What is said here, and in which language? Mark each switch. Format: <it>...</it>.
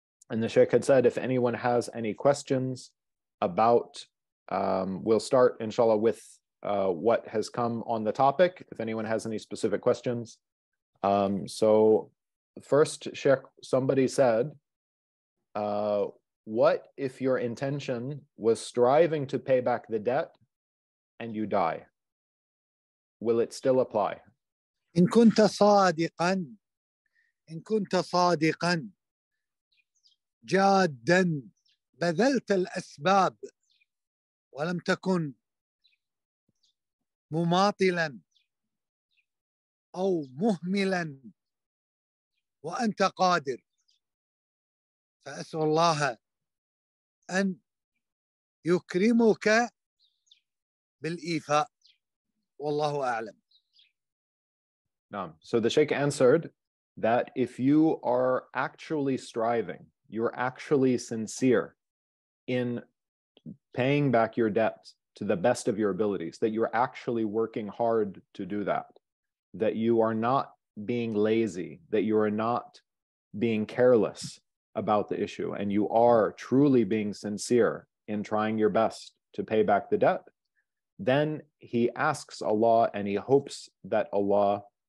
<en>And the Sheikh had said, if anyone has any questions about, we'll start, inshallah, with what has come on the topic, if anyone has any specific questions. So first, Sheikh, somebody said, what if your intention was striving to pay back the debt and you die? Will it still apply?</en> <ar>إن كنت صادقا، إن كنت صادقا جادا بذلت الأسباب ولم تكن مماطلا أو مهملا وأنت قادر، فأسأل الله أن يكرمك بالإيفاء، والله أعلم. نعم.</ar> <en>So the Sheikh answered that if you are actually striving, you're actually sincere in paying back your debt to the best of your abilities, that you're actually working hard to do that, that you are not being lazy, that you are not being careless about the issue, and you are truly being sincere in trying your best to pay back the debt, then he asks Allah and he hopes that Allah</en>